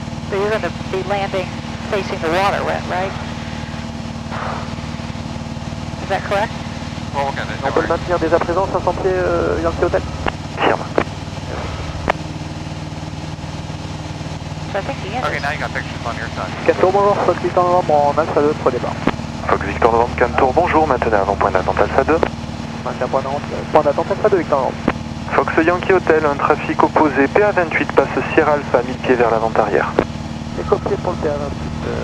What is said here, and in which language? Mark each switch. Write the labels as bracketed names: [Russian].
[English] So you're going to be landing facing the water, right? Is that correct? Well, [French] okay, on peut maintenir dès à présent 500 pieds, Yankee Hotel? Firme. [English] Okay, now you got pictures on your side. [French] Cantour, bonjour, Fox Victor Novembre, en Alpha 2, trois départs. Fox Victor Novembre, Cantour, bonjour, maintenez avant-point d'attente Alpha 2. Maintenez point d'attente Alpha 2, Victor Novembre. Fox Yankee Hotel, un trafic opposé, PA28 passe Sierra Alpha, 1000 pieds vers l'avant-arrière. Les copiers pour le PA28.